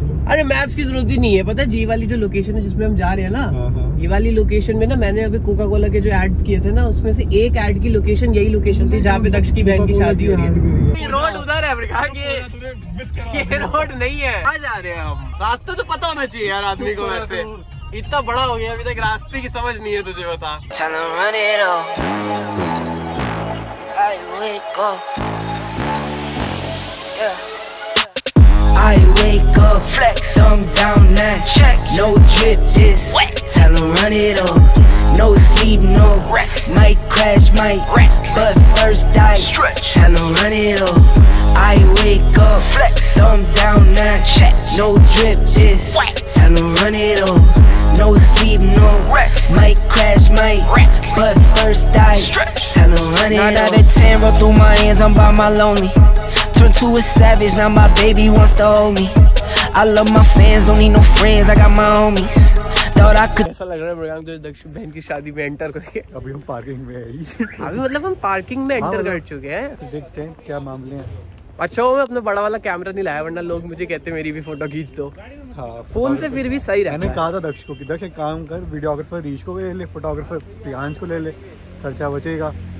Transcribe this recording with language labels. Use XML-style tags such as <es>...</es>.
<hi>अरे मैप्स की जरूरत ही नहीं है। पता है जी वाली जो लोकेशन है जिसमें हम जा रहे हैं ना, ये वाली लोकेशन में ना मैंने अभी कोका कोला के जो एड्स किए थे ना उसमें से एक एड की लोकेशन यही लोकेशन थी जहाँ पे दक्ष की बहन की शादी हो रही है। रोड उधर है अफ्रीका के, ये रोड नहीं है। कहाँ जा रहे हैं हम? रास्ता तो पता होना चाहिए यार आदमी को। वैसे इतना बड़ा हो गया अभी तक रास्ते की समझ नहीं है तुझे।</hi> <en>बता I wake up, flex, I'm down now, check, no drip, this, wet, tell him run it up, no sleep, no rest, might crash, might wreck, but first I stretch, tell him run it up, I wake up, flex, I'm down now, check, no drip, this, wet, tell him run it up, no sleep, no rest, might crash, might wreck, but first I stretch, tell him run it up. 9 out of 10, roll through my hands, I'm by my lonely. Turn to a savage, now my baby wants to hold me. I love my fans, don't need no friends, I got my homies.</en> <hi>ऐसा लग रहा है मेरे को दक्षिण बहन की शादी में एंटर करके। अभी हम पार्किंग में है। अभी मतलब हम पार्किंग में एंटर कर चुके हैं। देखते हैं क्या मामले हैं। अच्छा हो मैं अपना बड़ा वाला कैमरा नहीं लाया वरना लोग मुझे कहते मेरी भी फोटो खींच दो। हाँ, फोन से फिर भी सही रहा। मैंने कहा था दक्ष को कि दक्ष एक काम कर, वीडियोग्राफर रीश को ले ले, फोटोग्राफर प्रियांश को ले ले, खर्चा बचेगा।</hi>